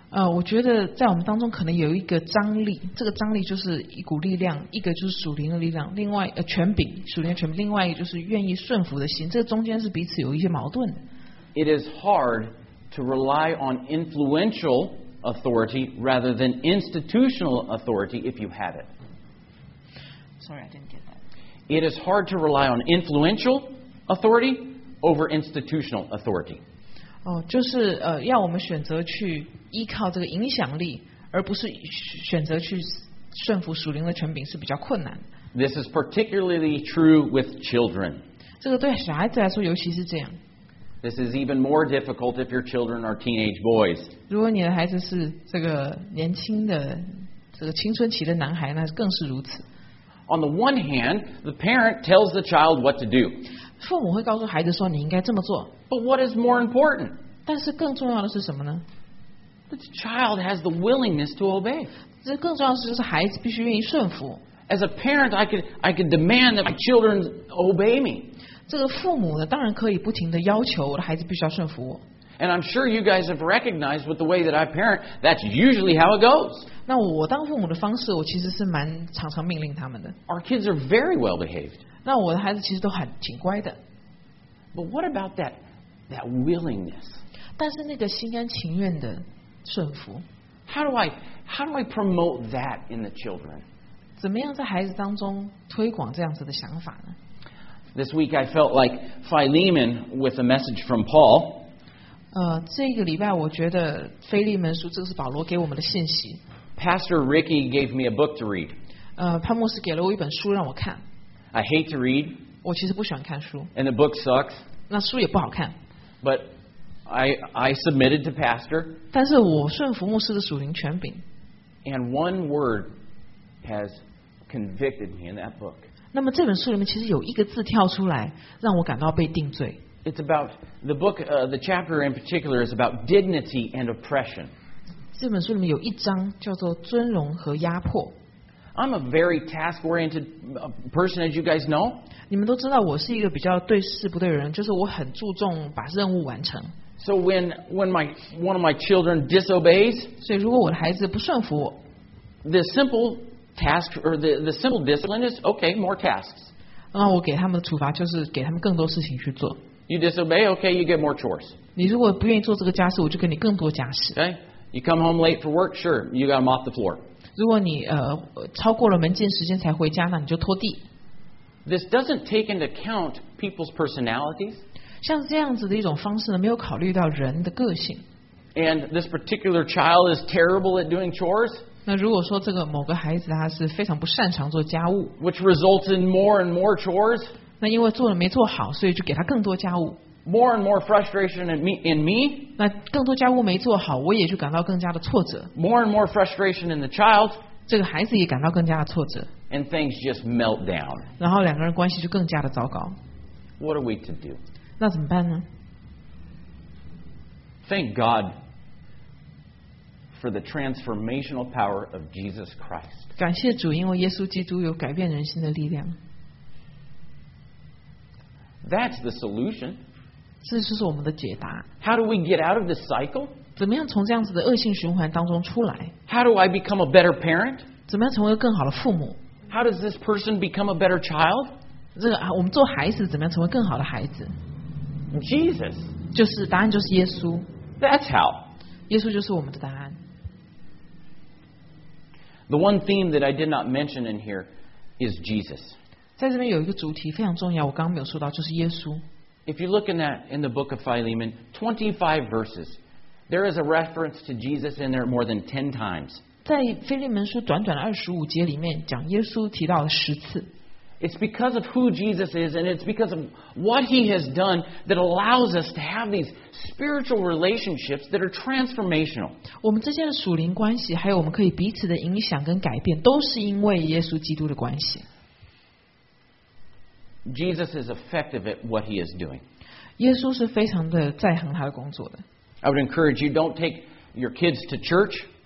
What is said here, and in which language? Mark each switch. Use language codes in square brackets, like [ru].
[zh] 我觉得在我们当中可能有一个张力，这个张力就是一股力量，一个就是属灵的力量，另外权柄，属灵的权柄，另外一个就是愿意顺服的心，这个中间是彼此有一些矛盾的。 [en] It is hard to rely on influential authority rather than institutional authority if you have it. Sorry, I didn't get that. It is hard to rely on influential authority over institutional authority. [zh] 就是要我们选择去依靠这个影响力，而不是选择去顺服属灵的权柄是比较困难。 [en] This is particularly true with children. [zh] 这个对小孩子来说尤其是这样。 [en] This is even more difficult if your children are teenage boys. [zh] 如果你的孩子是这个年轻的这个青春期的男孩，那更是如此。 [en] On the one hand, the parent tells the child what to do. [zh] 父母会告诉孩子说你应该这么做。 [en] But what is more important? [zh] 但是更重要的是什么呢？ [en] The child has the willingness to obey. [zh] 这更重要的是就是孩子必须愿意顺服。 [en] As a parent, I could demand that my children obey me. [zh] 这个父母呢，当然可以不停的要求我的孩子必须要顺服我。 [en] And I'm sure you guys have recognized with the way that I parent, that's usually how it goes. [zh] 那我当父母的方式，我其实是蛮常常命令他们的。 [en] Our kids are very well behaved. [zh] 那我的孩子其实都很挺乖的。 [en] But what about that willingness? [zh] 但是那个心甘情愿的顺服。 [en] How do I promote that in the children? [zh] 怎么样在孩子当中推广这样子的想法呢？ [en] This week I felt like Philemon with a message from Paul. [zh] 这个礼拜我觉得腓利门书，这个是保罗给我们的信息。 [en] Pastor Ricky gave me a book to read. [zh] 潘牧师给了我一本书让我看。 [en] I hate to read. [zh] 我其实不喜欢看书。 [en] And the book sucks. [zh] 那书也不好看。 [en] But I submitted to Pastor. [zh] 但是我顺服牧师的属灵权柄。 [en] And one word has convicted me in that book. [zh] 那么这本书里面其实有一个字跳出来，让我感到被定罪。 [en] It's about the book, the chapter in particular is about dignity and oppression. [zh] 这本书里面有一章叫做尊荣和压迫。 [en] I'm a very task-oriented person, as you guys know. [zh] 你们都知道我是一个比较对事不对人，就是我很注重把任务完成。 [en] So when one of my children disobeys, [zh] 所以如果我的孩子不顺服我， [en] the simple task or the simple discipline is okay, more tasks. [zh] 那我给他们的处罚就是给他们更多事情去做。 [en] You disobey, okay, you get more chores. [zh] 你如果不愿意做这个家事，我就给你更多家事。 [en] Okay, you come home late for work, sure, you got to mop the floor. [zh] 如果你超过了门禁时间才回家，那你就拖地。 [en] This doesn't take into account people's personalities. [zh] 像这样子的一种方式呢，没有考虑到人的个性。 [en] And this particular child is terrible at doing chores. [zh] 那如果说这个某个孩子他是非常不擅长做家务， [en] which results in more and more chores. [zh] 那因为做了没做好，所以就给他更多家务。 [en] More and more frustration in me. [zh] 那更多家务没做好，我也就感到更加的挫折。 [en] More and more frustration in the child. [zh] 这个孩子也感到更加的挫折。 [en] And things just melt down. [zh] 然后两个人关系就更加的糟糕。 [en] What are we to do? [zh] 那怎么办呢？ [en] Thank God for the transformational power of Jesus Christ. [zh] 感谢主，因为耶稣基督有改变人心的力量。 [en] That's the solution. [zh] 这就是我们的解答。 [en] How do we get out of this cycle? [zh] 怎么样从这样子的恶性循环当中出来？ [en] How do I become a better parent? [zh] 怎么样成为更好的父母？ [en] How does this person become a better child? [zh] 这个我们做孩子怎么样成为更好的孩子？ [en] Jesus. [zh] 就是答案就是耶稣。 [en] That's how. [zh] 耶稣就是我们的答案。 [en] The one theme that I did not mention in here is Jesus. [zh] 在这边有一个主题非常重要，我刚刚没有说到，就是耶稣。 [en] If you look in the book of Philemon, 25 verses, there is a reference to Jesus in there more than 10 times. [zh] 在腓利门书短短的25节里面，讲耶稣提到了十次。 [en] It's because of who Jesus is, and it's because of what he has done that allows us to have these spiritual relationships that are transformational. [zh] 我们之间的属灵关系，还有我们可以彼此的影响跟改变，都是因为耶稣基督的关系。 [en] Jesus is effective at what he is doing. [zh] 耶稣是非常的在行他的工作的。 [en] I would encourage you don't take your kids to church.